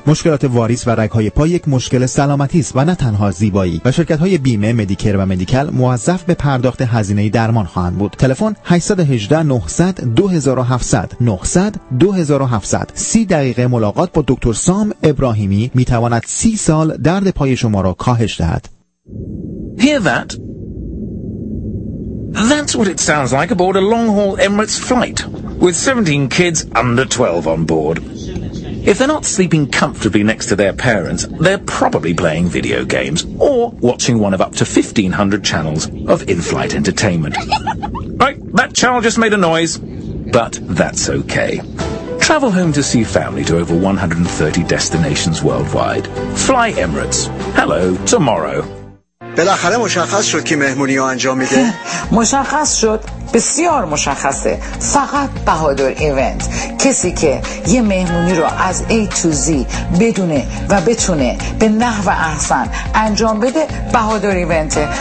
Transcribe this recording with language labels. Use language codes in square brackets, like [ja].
[fa] مشکلات واریس و رگهای پا یک مشکل سلامتی است و نه تنها زیبایی، و شرکت های بیمه، مدیکر و مدیکال موظف به پرداخت هزینه درمان خواهند بود. تلفن 818-900-2700 30 دقیقه ملاقات با دکتر سام ابراهیمی می تواند 30 سال درد پای شما را کاهش دهد. [en] Hear that? That's what it sounds like aboard a long-haul Emirates flight with 17 kids under 12 on board. If they're not sleeping comfortably next to their parents, they're probably playing video games or watching one of up to 1,500 channels of in-flight entertainment. Right, that child just made a noise, but that's okay. Travel home to see family to over 130 destinations worldwide. Fly Emirates. Hello tomorrow. [fa] بالاخره مشخص شد که مهمونی رو انجام میده. مشخص شد، بسیار مشخصه. فقط بهادر ایونت، کسی که یه مهمونی رو از [en] A to Z [fa] بدونه و بتونه به نحو احسن انجام بده، بهادر ایونته.